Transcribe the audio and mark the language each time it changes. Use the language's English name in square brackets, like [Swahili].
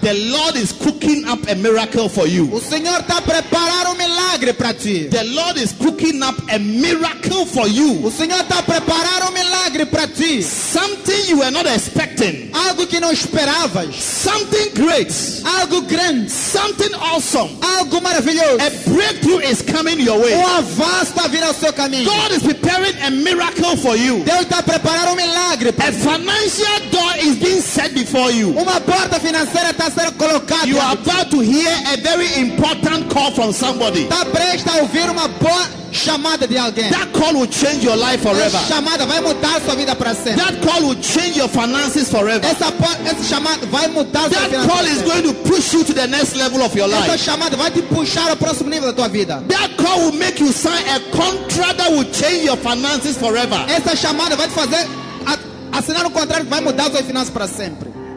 [English] The Lord is cooking up a miracle for you. [Portuguese] O Senhor está a preparar milagre para ti. [English] The Lord is cooking up a miracle for you. [Portuguese] O Senhor está a preparar milagre para ti. [English] Something you were not expecting. [Portuguese] Algo que não esperavas. [English] Something great. [Portuguese] Algo grande. [English] Something awesome. [Portuguese] Algo maravilhoso. [English] A breakthrough is coming your way. [Portuguese] O avanço está vindo ao seu caminho. [English] God is preparing a miracle for you. [Portuguese] Deus está preparando milagre. [English] A financial door is being set before you. [Portuguese] Uma porta financeira está sendo colocada. [English] You are about to hear a very important call from somebody. [Portuguese] Está prestes a ouvir uma boa chamada de alguém. [English] That call will change your life forever. [Portuguese] Essa chamada vai mudar sua vida para sempre. [English] That call will change your finances forever. [Portuguese] Essa chamada vai mudar sua vida. [English] That call is going to push you to the next level of your life. [Portuguese] Essa chamada vai te puxar ao próximo nível da tua vida. [English] That call will make you sign a contract that will change your finances forever. [Portuguese] Essa chamada vai te fazer assinar contrato que vai mudar suas finanças para sempre.